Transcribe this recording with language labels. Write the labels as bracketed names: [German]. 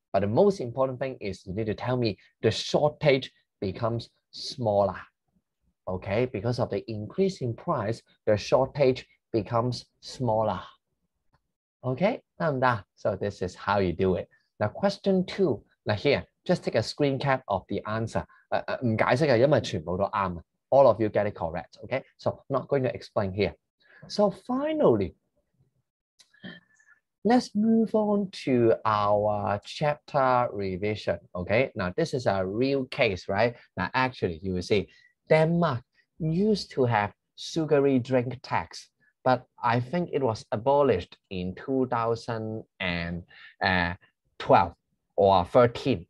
[English] But the most important thing is you need to tell me the shortage becomes smaller. Okay, because of the increase in price, the shortage becomes smaller. Okay, [Cantonese] 得唔得 [English] So this is how you do it. Now, question two, now here, just take a screen cap of the answer. [Cantonese] 唔解釋啊，因為全部都啱。 [English] All of you get it correct, okay? So not going to explain here. So finally, let's move on to our chapter revision, okay? Now, this is a real case, right? Now, actually, you will see,Denmark used to have sugary drink tax, but I think it was abolished in 2012 or 13.